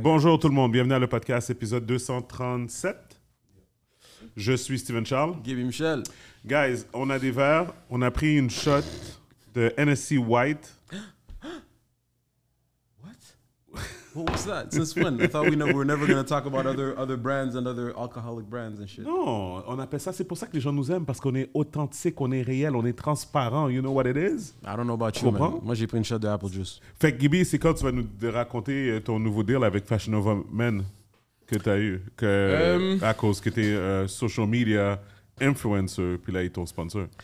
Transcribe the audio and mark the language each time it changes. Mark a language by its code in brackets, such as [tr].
[fr] Bonjour tout le monde, bienvenue à le podcast épisode 237. Je suis Steven Charles. Gabby Michel. Guys, on a des verres. On a pris une shot de NSC White. [en] What? What was that? Since when? I thought we're never going to talk about other brands and other alcoholic brands and shit. [fr] Non, on appelle ça. C'est pour ça que les gens nous aiment, parce qu'on est authentique, on est réel, on est transparent. [en] You know what it is? I don't know about you, man. [fr] Moi, j'ai pris une shot de [en] apple juice. [fr] Fait que Gabby, c'est quand tu vas nous raconter ton nouveau deal avec Fashion Nova Men? Que tu as eu, que à cause que tu es [en] social media influencer, [fr] puis là, il est ton sponsor.